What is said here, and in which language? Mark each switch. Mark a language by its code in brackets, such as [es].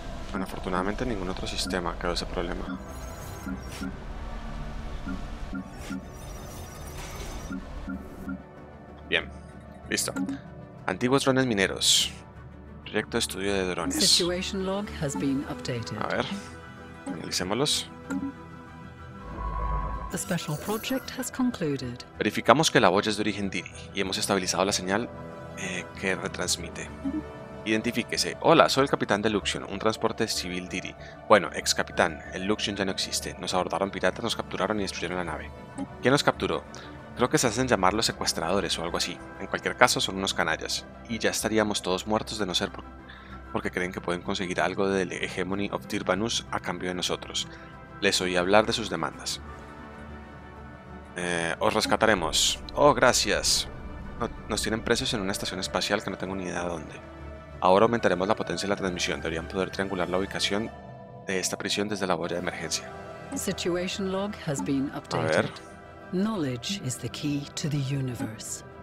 [es] Bueno, afortunadamente ningún otro sistema creó ese problema. Bien, listo. Antiguos drones mineros. Proyecto de estudio de drones. [en] Situation log has been updated. [es] A ver, analicémoslos. [en] The special project has concluded. [es] Verificamos que la voz es de origen Diri y hemos estabilizado la señal que retransmite. Identifíquese. Hola, soy el capitán de Luxion, un transporte civil Diri. Bueno, ex capitán, el Luxion ya no existe. Nos abordaron piratas, nos capturaron y destruyeron la nave. ¿Quién nos capturó? Creo que se hacen llamar los secuestradores o algo así. En cualquier caso, son unos canallas. Y ya estaríamos todos muertos de no ser porque creen que pueden conseguir algo del Hegemony of Tirbanus a cambio de nosotros. Les oí hablar de sus demandas. Os rescataremos. Oh, gracias. Nos tienen presos en una estación espacial que no tengo ni idea de dónde. Ahora aumentaremos la potencia de la transmisión. Deberían poder triangular la ubicación de esta prisión desde la boya de emergencia. [en] Situation log has been updated. [es] A ver. [en] Knowledge is the key to the universe.